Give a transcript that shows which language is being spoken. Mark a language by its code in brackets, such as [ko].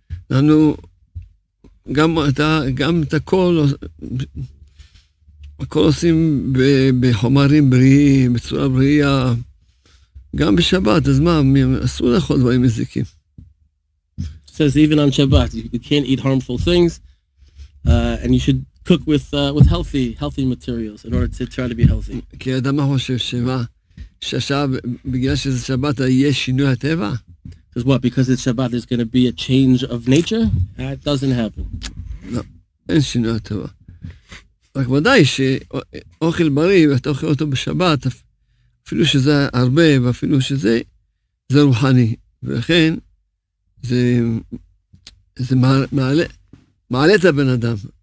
[he] אנחנו גם את הכל, הכל עושים בחומרים בריאים, בצורה בריאה, גם בשבת, אז מה, אסור לאכול דברים מזיקים. [en] It says even on Shabbat, you can't eat harmful things, and you should cook with healthy materials in order to try to be healthy. [he] כי אדם חושב שמה, שעכשיו, בגלל שזה שבת, יש שינוי הטבע? [en] Because what? Because it's Shabbat, there's going to be a change of nature? That doesn't happen. No. [he] רק ודאי שאוכל בריא ואתה אוכל אותו בשבת, אפילו שזה הרבה ואפילו שזה, זה רוחני. ולכן זה, זה מעלה את הבן אדם.